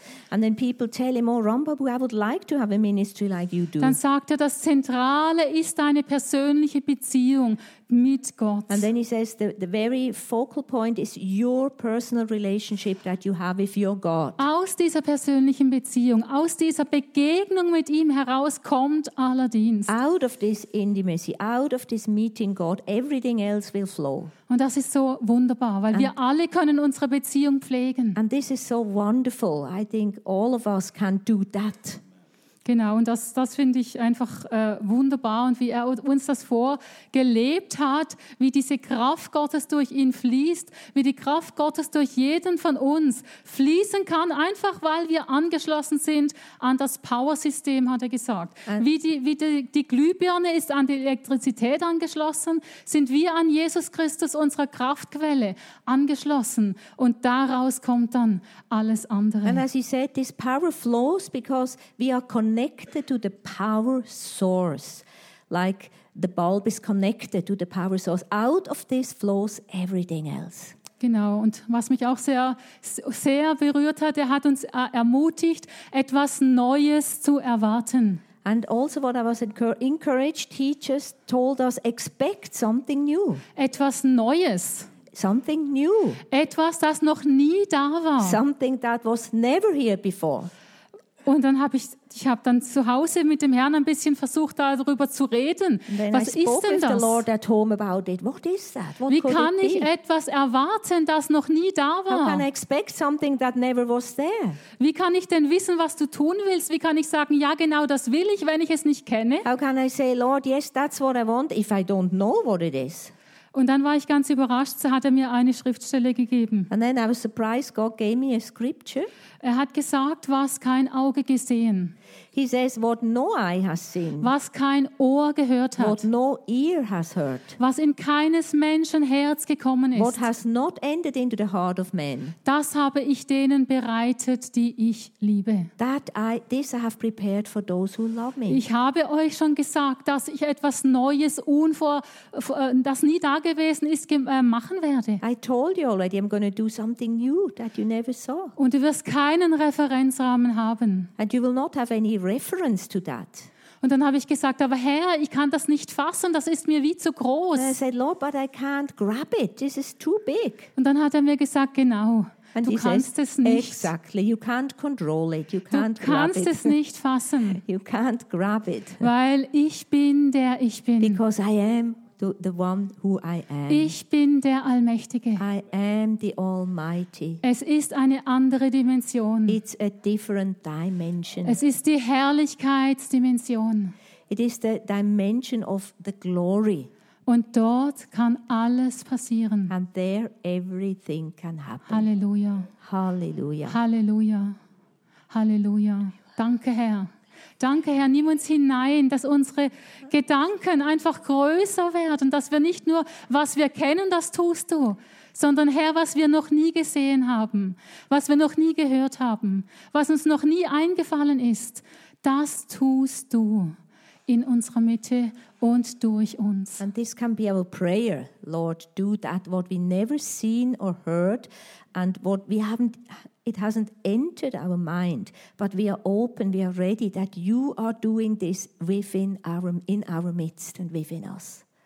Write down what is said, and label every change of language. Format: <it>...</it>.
<en>And then people tell him, oh, Rambabu, I would like to have a ministry like you do.</en> <de>Dann sagt er, das Zentrale ist deine persönliche Beziehung mit Gott.</de> <en>And then he says, the very focal point is your personal relationship that you have with your God.</en> <de>Aus dieser persönlichen Beziehung, aus dieser Begegnung mit ihm heraus kommt aller Dienst.</de> <en>Out of this intimacy, out of this meeting God, everything else will flow.</en> <de>Und das ist so wunderbar, weil wir alle können unsere Beziehung pflegen.</de> <en>And this is so wonderful. I think all of us can do that.</en> <de>Genau, und das finde ich einfach wunderbar. Und wie er uns das vorgelebt hat, wie diese Kraft Gottes durch ihn fließt, wie die Kraft Gottes durch jeden von uns fließen kann, einfach weil wir angeschlossen sind an das Power-System, hat er gesagt. Wie die Glühbirne ist an die Elektrizität angeschlossen, sind wir an Jesus Christus, unserer Kraftquelle, angeschlossen. Und daraus kommt dann alles andere.</de> <en>And as you said, this power flows because we are connected to the power source, like the bulb is connected to the power source. Out of this flows everything else.</en> <de>Genau, und was mich auch sehr, sehr berührt hat, er hat uns ermutigt, etwas Neues zu erwarten.</de> <en>And also what I was encouraged, he just told us, expect something new.</en> <de>Etwas Neues.</de> <en>Something new.</en> <de>Etwas, das noch nie da war.</de> <en>Something that was never here before.</en> <de>Und dann habe ich habe dann zu Hause mit dem Herrn ein bisschen versucht, darüber zu reden. Was ist denn das? Wie kann ich etwas erwarten, das noch nie da war?</de> <en>How can I expect something that never was there?</en> <de>Wie kann ich denn wissen, was du tun willst? Wie kann ich sagen, ja, genau das will ich, wenn ich es nicht kenne?</de> <en>How can I say, Lord, yes, that's what I want, if I don't know what it is?</en> <de>Und dann war ich ganz überrascht, so hat er mir eine Schriftstelle gegeben.</de> <en>And then I was surprised, God gave me a scripture.</en> <de>Er hat gesagt, was kein Auge gesehen.</de> <en>He says, what no eye has seen.</en> <de>Was kein Ohr gehört hat.</de> <en>What no ear has heard.</en> <de>Was in keines Menschen Herz gekommen ist.</de> <en>What has not entered into the heart of man.</en> <de>Das habe ich denen bereitet, die ich liebe.</de> <en>This I have prepared for those who love me.</en> <de>Ich habe euch schon gesagt, dass ich etwas Neues, das nie da gewesen ist, machen werde.</de> <en>I told you already, I'm going to do something new that you never saw.</en> <de>Und du wirst keinen Referenzrahmen haben.</de> <en>And you will not have any reference to that.</en> <de>Und dann habe ich gesagt, aber Herr, ich kann das nicht fassen, das ist mir wie zu groß.</de> <en>And I said, Lord, but I can't grab it. This is too big.</en> <de>Und dann hat er mir gesagt, genau. And du kannst es nicht.</de> <en>Exactly. You can't control it. You can't grab it.</en> <de>Du kannst es nicht fassen.</de> <en>You can't grab it.</en> <de>Weil ich bin, der ich bin.</de> <en>Because I am the one who I am.</en> <de>Ich bin der Allmächtige.</de> <en>I am the Almighty.</en> <de>Es ist eine andere Dimension.</de> <en>It's a different dimension.</en> <de>Es ist die Herrlichkeitsdimension.</de> <en>It is the dimension of the glory.</en> <de>Und dort kann alles passieren.</de> <en>And there everything can happen.</en> <de>Halleluja. Halleluja. Halleluja. Halleluja. Danke, Herr. Danke, Herr, nimm uns hinein, dass unsere Gedanken einfach größer werden, dass wir nicht nur, was wir kennen, das tust du, sondern, Herr, was wir noch nie gesehen haben, was wir noch nie gehört haben, was uns noch nie eingefallen ist, das tust du in unserer Mitte und durch uns.</de> <en>And this can be our prayer, Lord, do that, what we never seen or heard and what we haven't... It hasn't entered our mind, but we are open, we are ready that you are doing this within in our midst and within us.</en>